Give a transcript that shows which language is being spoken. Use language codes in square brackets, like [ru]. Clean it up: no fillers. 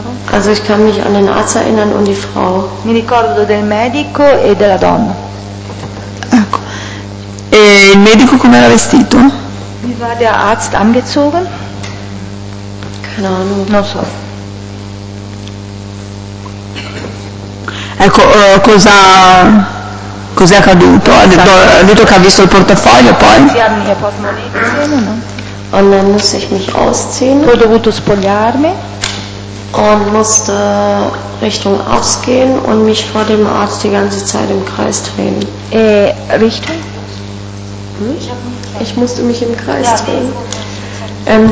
[de] Also ich kann mich an den Arzt erinnern und die Frau. [it] Mi ricordo del medico e della donna. Ecco. E il medico come era vestito? [de] Wie war der Arzt angezogen? Keine Ahnung. [it] Non so. Ecco, cosa. Cos'è accaduto? Ha detto che ha visto il portafoglio poi? Sì, hanno il portafoglio, no? Ho dovuto spogliarmi. [de] Und musste Richtung Arzt gehen und mich vor dem Arzt die ganze Zeit im Kreis drehen. Richtung? Ich musste mich im Kreis drehen.